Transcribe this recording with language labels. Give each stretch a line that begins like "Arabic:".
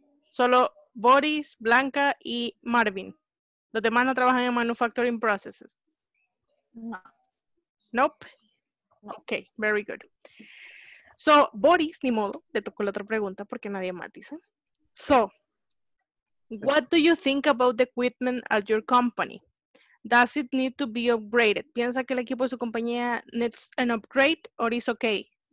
Spanish: Solo Boris, Blanca y Marvin. Los demás no trabajan en manufacturing processes. No.
English: Nope. No. Okay, very good.
Spanish: So, Boris, ni modo, le tocó la otra pregunta porque nadie más dice.
English: So, what do you think about the equipment at your company? Does it need to be upgraded?
Spanish: ¿Piensa que el equipo de su compañía
English: needs an upgrade or is okay?